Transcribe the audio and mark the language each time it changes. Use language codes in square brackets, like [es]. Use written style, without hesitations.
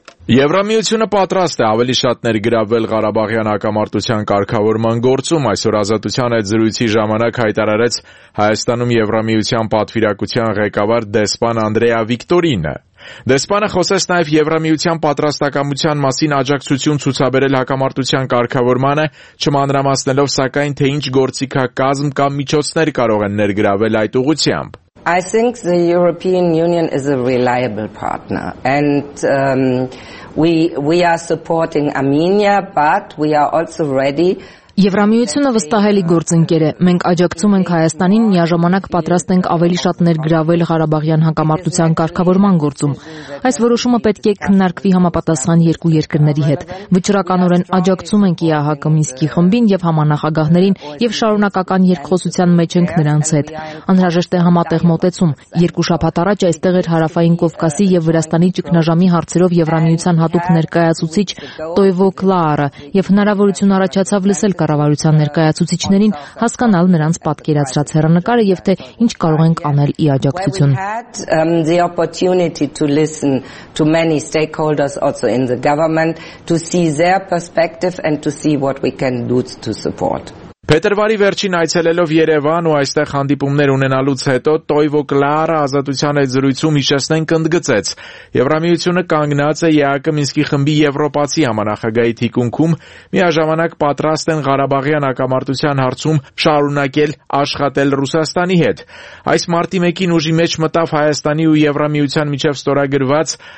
[hy] Եվրամիությունը պատրաստ է ավելի շատ ներգրավել Ղարաբաղյան հակամարտության կարգավորման գործում, այսօր ազատության այդ զրույցի ժամանակ հայտարարեց Հայաստանում Եվրամիության պատվիրակության ղեկավար դեսպան Անդրեա Վիկտորինը։ Դեսպանը խոսեց նաև Եվրամիության պատրաստակամության մասին աջակցություն ցուցաբերել հակամարտության կարգավորմանը, չմանրամասնելով սակայն, թե ինչ գործիքա կազմ կամ միջոցներ կարող են ներգրավել այդ ուղղությամբ։ [en] I think the European Union is a reliable partner, and we are supporting Armenia, but we are also ready. [hy] Եվրամիությունը վստահելի գործընկեր է։ Մենք աջակցում ենք Հայաստանին, միաժամանակ պատրաստ ենք ավելի շատ ներգրավել Ղարաբաղյան հակամարտության կարգավորման գործում։ Այս որոշումը պետք է քննարկվի համապատասխան երկու երկրների հետ։ Վճռականորեն աջակցում ենք ԵԱՀԿ Մինսկի խմբին և համանախագահներին և շարունակական երկխոսության մեջ ենք նրանց հետ։ Անհրաժեշտ է համատեղ մոտեցում։ Երկու շաբաթ առաջ այստեղ էր Հարավային Կովկասի և Վրաստանի ճգնաժամի հարցերով Եվրամիության հատուկ ներկայացուցիչ Տոյվո Կլարը, և հնարավորություն առաջացավ լսել կառավարության ներկայացուցիչներին, հասկանալ նրանց պատկերացրած հեռանկարը և թե ինչ կարող ենք անել ի աջակցություն։ [en] We had the opportunity to listen to many stakeholders also in the government to see their perspective and to see what we can do to support. [hy] Փետրվարի վերջին այցելելով Երևան ու այստեղ հանդիպումներ ունենալուց հետո Տոյվո Կլարը ազատության այդ զրույցում հիշեցնեն կնդգծեց. Եվրամիությունը կանգնած է ԵԱՀԿ Մինսկի խմբի Եվրոպացի համանախագահի թիկունքում, միաժամանակ պատրաստ են Ղարաբաղյան հակամարտության հարցում շարունակել աշխատել Ռուսաստանի հետ։ Այս մարտի 1-ին ուժի մեջ մտավ Հայաստանի ու Եվրամիության միջև ստորագրված